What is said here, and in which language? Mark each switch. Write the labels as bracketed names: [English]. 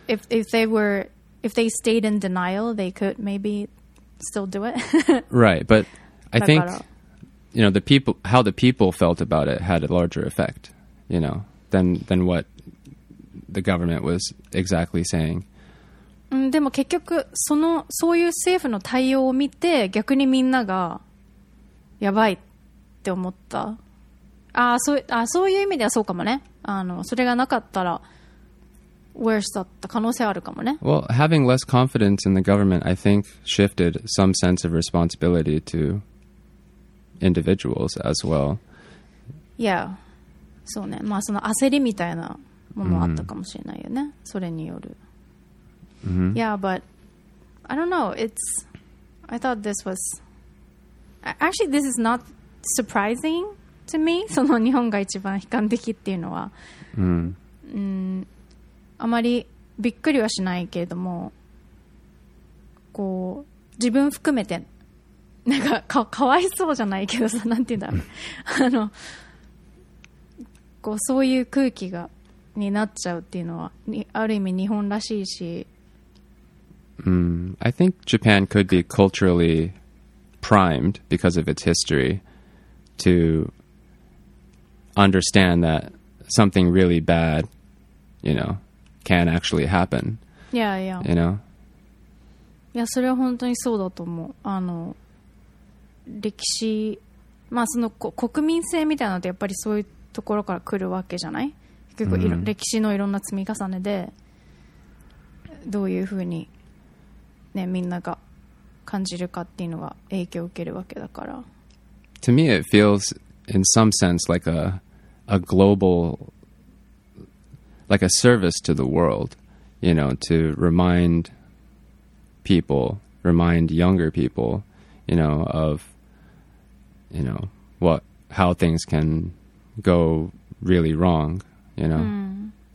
[English] If they stayed in denial, they could maybe still do it. Right, but I think... how the people felt about it had a larger effect, than what the government was exactly saying. [Japanese] でも結局そういう政府の対応を見て逆にみんながやばいって思った。そういう意味ではそうかもね。それがなかったら worse だった可能性あるかもね。 [English] Well, having less confidence in the government, I think shifted some sense of responsibility to... individuals as well. Yeah. [Japanese] そうね。まあその焦りみたいなものあったかもしれないよね。 Mm-hmm. それによる。 Mm-hmm. [English] Yeah, but I don't know. I thought this was... Actually, this is not surprising to me. [Japanese] その日本が一番悲観的っていうのは。あまりびっくりはしないけれども、こう、自分含めて、なんか かわいそうじゃないけどさ、なんて言うんだろう、こうそういう空気がになっちゃうっていうのはある意味日本らしいし、 [English] I think Japan could be culturally primed because of its history to understand that something really bad, can actually happen. Yeah, yeah. [Japanese] いやそれは本当にそうだと思う。歴史、まあ、その国民性みたいなのってやっぱりそういうところから来るわけじゃない？結構歴史のいろんな積み重ねでどういうふうに、ね、みんなが感じるかっていうのが影響を受けるわけだから。 [English] To me it feels in some sense like a global like a service to the world, to remind people, remind younger people, ofhow things can go really wrong, And